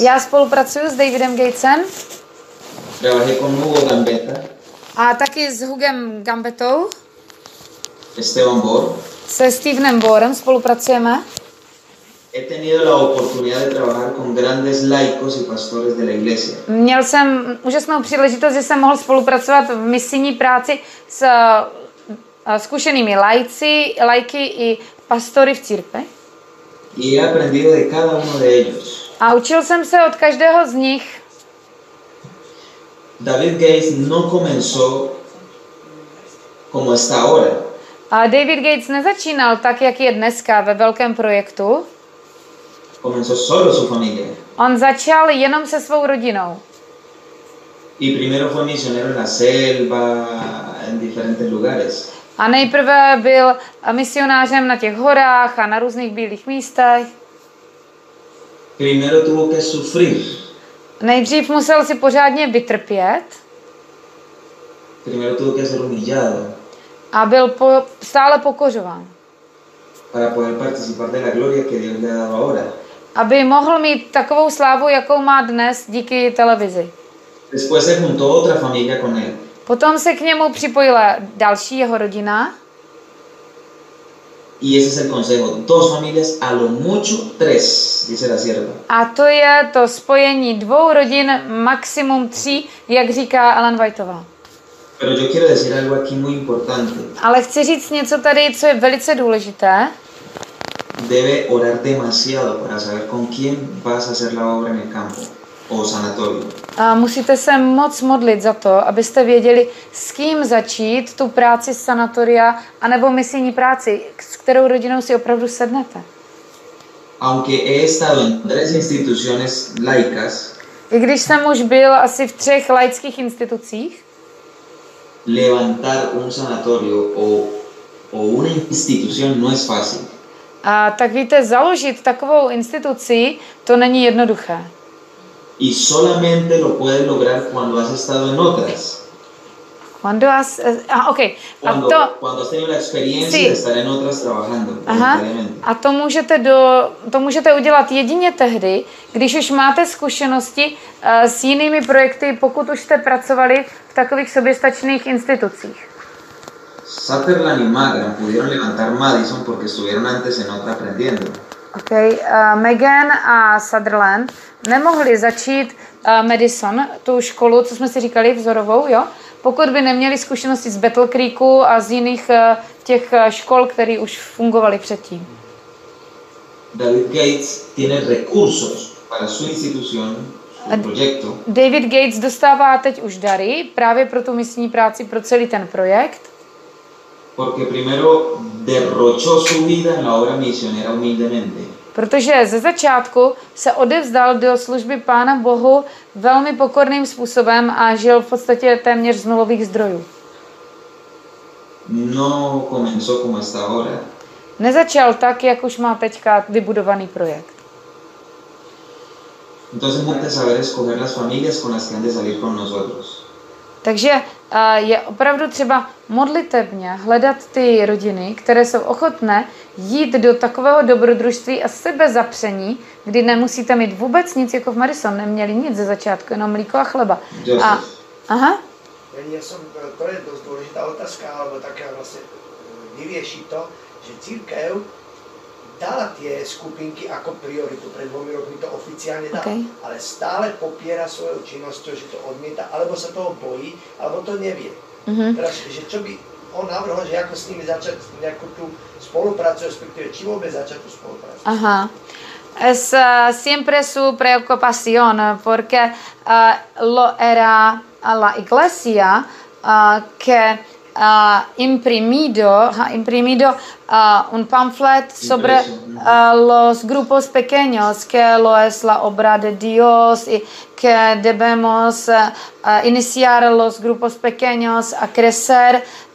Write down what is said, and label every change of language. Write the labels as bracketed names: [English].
[Czech] Ya spolupracuju s Davidem Gatesem. [Spanish] Trabajé con Hugo Gambetta. [Czech] A taky s Hugem Gambettou. [Spanish] Esteban Bor. [Czech] Se Stevenem Borem spolupracujeme. [Spanish] He tenido la oportunidad de trabajar con grandes laicos y pastores de la iglesia. [Czech] Měl jsem úžasnou příležitost, že jsem mohl spolupracovat v misijní práci s zkušenými laiky i pastory v církvi. [Spanish] Y he aprendido de cada uno de ellos. [Czech] A učil jsem se od každého z nich. [Spanish] David Gates no comenzó como está ahora. [Czech] A David Gates nezačínal tak, jak je dneska ve velkém projektu. [Spanish] Comenzó solo su familia. [Czech] On začal jenom se svou rodinou. [Spanish] Y primero fue misionero en la selva, en diferentes lugares. [Czech] A nejprve byl misionářem na těch horách a na různých bílých místech. [Spanish] Primero tuvo que sufrir. [Czech] Nejdřív musel si pořádně vytrpět. [Spanish] Primero tuvo que ser humillado. [Czech] A byl stále pokořován. [Spanish] Para poder participar de la gloria que Dios le ha dado ahora. [Czech] Aby mohl mít takovou slávu, jakou má dnes díky televizi. [Spanish] Después se juntó otra familia con él. [Czech] Potom se k němu připojila další jeho rodina. [Spanish] Y ese es el consejo. Dos familias a lo mucho tres, dice la sierva. [Czech] A to je to spojení dvou rodin, maximum tří, jak říká Ellen Whiteová. [Spanish] Pero yo quiero decir algo aquí muy importante. [Czech] Ale chci říct něco tady, co je velice důležité. [Spanish] Debe orar demasiado para saber con quién vas a hacer la obra en el campo o sanatorio. [Czech] A musíte se moc modlit za to, abyste věděli, s kým začít tu práci z sanatoria anebo misijní práci, s kterou rodinou si opravdu sednete. [Spanish] Aunque he estado en tres instituciones laicas, [Czech] i když jsem už byl asi v třech laických institucích, [Spanish] levantar un sanatorio o una institución no es fácil. [Czech] A tak víte, založit takovou instituci, to není jednoduché. [Spanish] Y solamente lo puedes lograr cuando has estado en otras. Cuando has cuando has tenido la experiencia de estar en otras trabajando. [Czech] Aha. A to můžete udělat jedině tehdy, když už máte zkušenosti s jinými projekty, pokud už jste pracovali v takových soběstačných institucích. [Spanish] Sutherland y Magan pudieron levantar Madison porque estuvieron antes en otra aprendiendo. [Czech] Okay, Megan a Sutherland nemohli začít Madison, tu školu, co jsme si říkali, vzorovou, jo? Pokud by neměli zkušenosti z Battle Creeku a z jiných těch škol, které už fungovaly předtím. [Spanish] David Gates tiene recursos para su institución, su proyecto. [Czech] David Gates dostává teď už dary právě pro tu misijní práci, pro celý ten projekt. [Spanish] Porque primero derrochó su vida en la obra misionera humildemente. [Czech] Protože ze začátku se odevzdal do služby Pána Bohu velmi pokorným způsobem a žil v podstatě téměř z nulových zdrojů. [Spanish] No, comenzó como hasta ahora. [Czech] Nezačal tak, jak už má teďka vybudovaný projekt. [Spanish] Entonces, antes de saber escoger las familias con las que han de salir con nosotros. [Czech] Takže je opravdu třeba modlitebně hledat ty rodiny, které jsou ochotné jít do takového dobrodružství a sebezapření, kdy nemusíte mít vůbec nic, jako v Marison, neměli nic ze začátku, jenom mlíko a chleba. A, aha. To je dost důležitá otázka, alebo také vlastně vyvěší to, že církev dala ty skupinky jako prioritu, před dvomi roky to oficiálně dala, okay. Ale stále popírá svou činnost, že to odmítá, alebo se toho bojí, alebo to neví. Mm-hmm. Že čo by on navrhl, že jako s nimi začat nějakou tu spolupráci, respektive čím vůbec začat tu spolupráci? Aha. [Spanish] Es siempre su preocupación, porque lo era a la iglesia que ha imprimido un pamphlet sobre los grupos pequeños, que lo es la obra de Dios y que debemos iniciar los grupos pequeños a crecer.